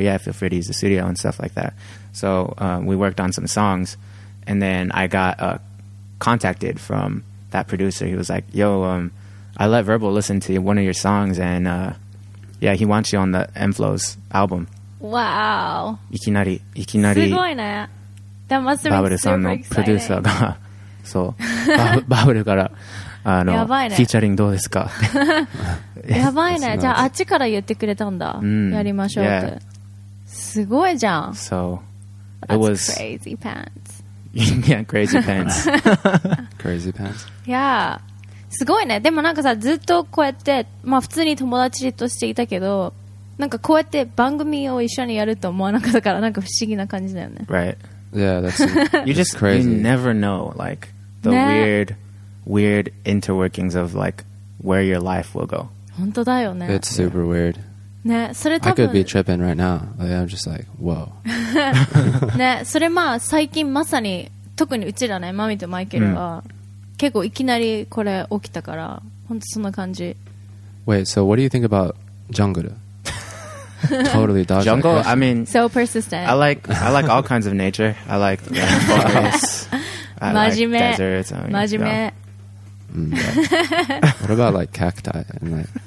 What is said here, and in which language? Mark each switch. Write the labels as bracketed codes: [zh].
[en] Yeah, feel free to use the studio and stuff like that. So we worked on some songs. And then I got contacted from that producer. He was like, yo, I let Verbal listen to one of your songs. And yeah, he wants you on the M-Flow's album. Wow. [ja] いきなり。すごいね。 [en] That must have been super exciting. [ja] バブルさんのプロデューサーが、そう、バブルから、あの、やばいね、フィーチャリングどうですか？やばいね。じゃあ、あっちから言ってくれたんだ。やりましょうって。 [en] Yeah. [ja] すごいじゃん。 [en] So, it was crazy pants. yeah, crazy pants. crazy pants. Yeah. [ja] すごいね。でもなんかさ、ずっとこうやって、まあ普通に友達としていたけど、なんかこうやって番組を一緒にやると思わなかったからなんか不思議な感じだよね。 [en] Right. Yeah, that's you just crazy. You never know like the、ね、weird interworkings of like where your life will go. [ja] 本当だよね。 [en] It's super、yeah. weird. [ja] ね、それ多分 [en] I could be tripping right now. Like, I'm just like, whoa. [ja] ね、それまあ最近まさに特にうちらね、マミとマイケルは、結構いきなりこれ起きたから本当そんな感じ。 [en] Wait, so what do you think about Jungle? Totally dodge jungle. I mean, so persistent. I like all kinds of nature. I like forests. I like deserts. I mean, yeah. Yeah. What about like cacti? And, like,